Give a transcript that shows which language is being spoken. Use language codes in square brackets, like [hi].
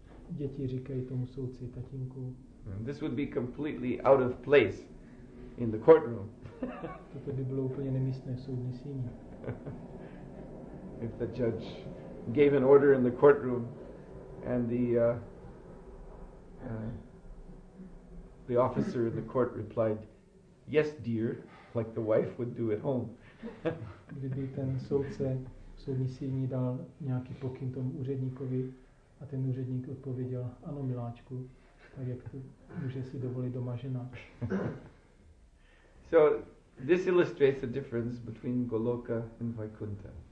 [cs] Děti říkají tomu soudci tatínku. [en] This would be completely out of place in the courtroom. [cs] Toto by bylo úplně nemístné v soudní síni. [en] If the judge gave an order in the courtroom and the officer in the court replied, "Yes, dear," like the wife would do at home. [cs] Kdyby ten soudce v soudní síni dal nějaký pokyn tomu úředníkovi a ten úředník odpověděl, "Ano, miláčku," tak jak to může si dovolit doma žena. [en] So this illustrates the difference between Goloka and Vaikuntha.